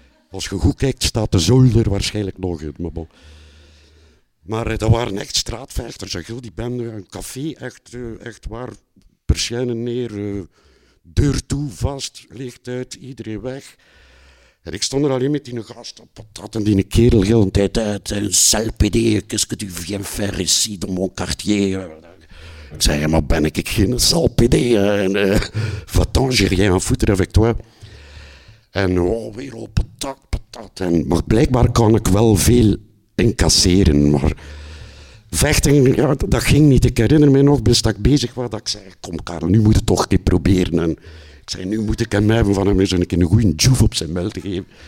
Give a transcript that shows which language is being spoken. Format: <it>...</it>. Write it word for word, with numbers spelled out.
<nl>Als je goed kijkt staat de zolder waarschijnlijk nog in. Maar, maar dat waren echt straatvechters. En die bende, een café, echt, echt waar. Persianen neer, deur toe, vast, licht uit, iedereen weg. En ik stond er alleen met die gast op patat en die kerel heel een tijd uit.</nl> <fr>En salpédé, qu'est-ce que tu viens faire ici dans mon quartier?</fr> <nl>Ik zei, maar ben ik geen salpédé?</nl> <fr>En uh, va-t'en, j'ai rien à foutre avec toi.</fr> <nl>En oh, weer op patat, patat. En, maar blijkbaar kan ik wel veel incasseren. Maar vechten, ja, dat ging niet. Ik herinner me nog, best dat ik bezig was, dat ik zei, kom Karel, nu moet je toch een keer proberen. En, ik zei, nu moet ik hem hebben van hem eens een keer een goede joef op zijn muil te geven.</nl>